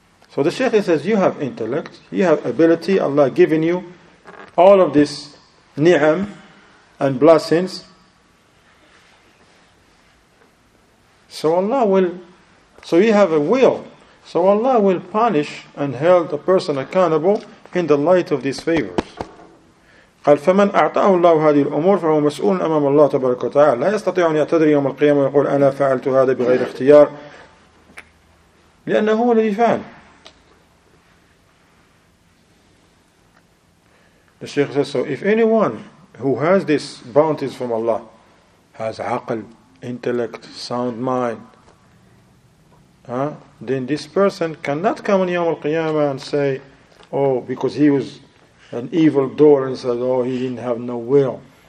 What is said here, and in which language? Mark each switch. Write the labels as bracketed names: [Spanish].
[English] So the Shaykh says, you have intellect, you have ability, Allah given you all of this ni'am and blessings. So Allah will, so you have a will. So Allah will punish and hold a person accountable in the light of these favors. [Arabic] فمن أعطاه الله هذه الأمور فهو مسؤول أمام الله تبارك وتعالى لا يستطيع أن يعتذر يوم القيامة ويقول أنا فعلت هذا بغير اختيار لأنه هو الذي فعل. [English] The Shaykh says, so if anyone who has these bounties from Allah has aql, intellect, sound mind, then this person cannot come on Yawm al-Qiyamah and say, oh, because he was an evildoer and said, oh, he didn't have no will.